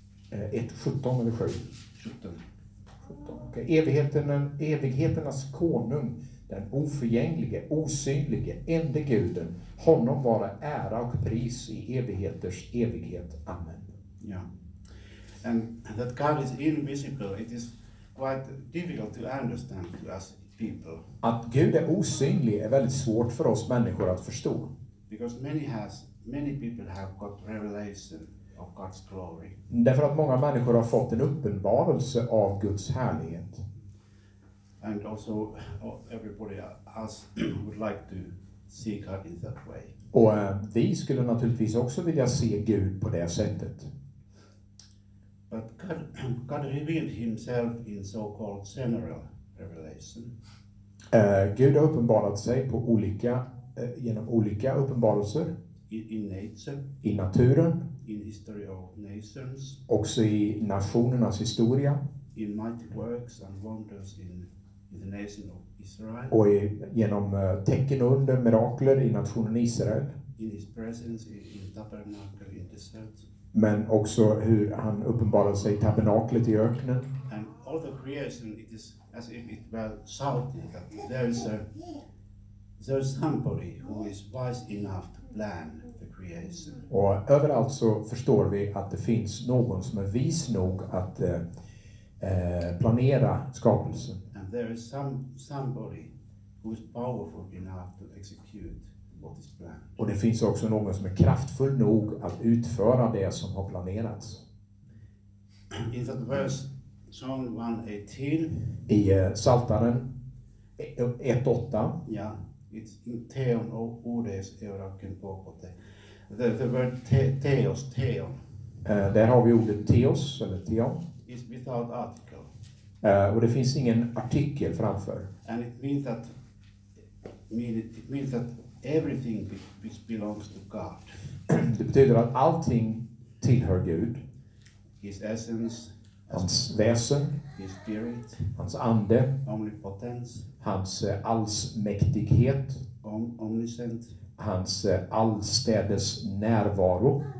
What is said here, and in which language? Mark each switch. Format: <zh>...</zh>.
<sv>Ett 17 eller 7? 17.</sv> <en>Okay.</en> <sv>Evigheternas konung, den oförgänglige, osynlige, ende guden, honom vara ära och pris i evigheters evighet. Amen. Ja. Yeah.</sv> <en>And that God is invisible, it is quite difficult to understand to us people.</en> <sv>Att Gud är osynlig är väldigt svårt för oss människor att förstå.</sv> <en>Because many people have got revelation. Of God's glory.</en> <sv>Därför att många människor har fått en uppenbarelse av Guds härlighet.</sv> <en>And also everybody else would like to see God in that way.</en> <sv>Och vi skulle naturligtvis också vilja se Gud på det sättet.</sv> <en>But God revealed himself in so-called general revelation.</en> <sv>Gud har uppenbarat sig på olika genom olika uppenbarelser.</sv> <en>In nature.</en> <sv>I naturen.</sv> <en>In history of nations,</en> <sv>också i nationernas historia,</sv> <en>in mighty works and wonders in the nation of Israel,</en> <sv>och genom tecken och under mirakler i nationen Israel,</sv> <en>in his presence in tabernacle in desert,</en> <sv>men också hur han uppenbarade sig i tabernaklet i öknen,</sv> <en>and all the creation it is as if it were shouting that there's somebody who is wise enough to plan.</en> <sv>Och överallt så förstår vi att det finns någon som är vis nog att planera skapelsen.</sv> <en>And there is somebody who is powerful enough to execute</en> <sv>Och det finns också någon som är kraftfull nog att utföra det som har planerats.</sv> <en>In that verse, Psalm 118.</en> <sv>I Saltaren 1:8. Ja, it's in teon och ordes euraken på det.</sv> <en>The word teos, teon.</en> <sv>Där har vi ordet teos eller teon.</sv> <en>It's without article.</en> <sv>Och det finns ingen artikel framför.</sv> <en>And it means that everything which belongs to God.</en> <sv>Det betyder att allting tillhör Gud.</sv> <en>His essence,</en> <sv>hans väsen,</sv> <en>his spirit,</en> <sv>hans ande,</sv> <en>omnipotence,</en> <sv>hans allsmäktighet,</sv> <en>omniscient,</en> <sv>hans allstädes närvaro,</sv>